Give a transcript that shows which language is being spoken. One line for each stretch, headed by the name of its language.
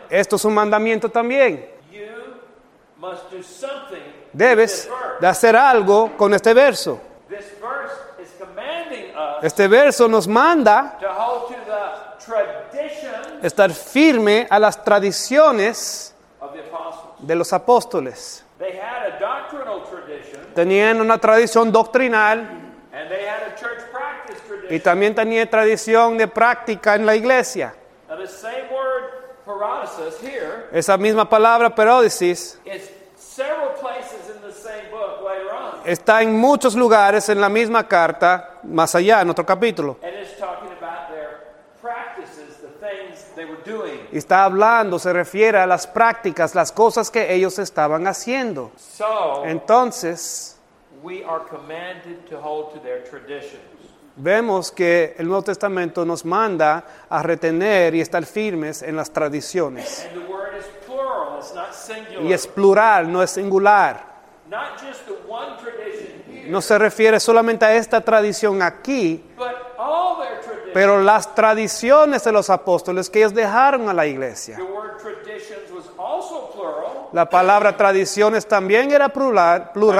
Spanish: Esto es un mandamiento también.
English: You must do something.
Spanish: Debes de hacer algo con este verso.
English: This verse is commanding us.
Spanish: Este verso nos manda
English: to hold to the tradition,
Spanish: estar firme a las tradiciones
English: of the apostles.
Spanish: De los apóstoles.
English: They had a doctrinal tradition,
Spanish: tenían una tradición doctrinal,
English: and they had a church practice tradition,
Spanish: y también tenían tradición de práctica en la iglesia.
English: The same word, parodesis, here,
Spanish: esa misma palabra, parodesis,
English: is several places in the same book later on.
Spanish: Está en muchos lugares en la misma carta, más allá, en otro capítulo.
English: And it's talking about their practices, the things they were doing.
Spanish: Y está hablando, se refiere a las prácticas, las cosas que ellos estaban haciendo.
English: So,
Spanish: entonces,
English: we are commanded to hold to their traditions.
Spanish: Vemos que el Nuevo Testamento nos manda a retener y estar firmes en las tradiciones.
English: And the word is plural, it's not singular.
Spanish: Y es plural, no es singular.
English: Not just the one tradition here,
Spanish: no se refiere solamente a esta tradición aquí,
English: but all their traditions,
Spanish: pero las tradiciones de los apóstoles que ellos dejaron a la iglesia.
English: The word traditions was also plural.
Spanish: La palabra tradiciones también era plural.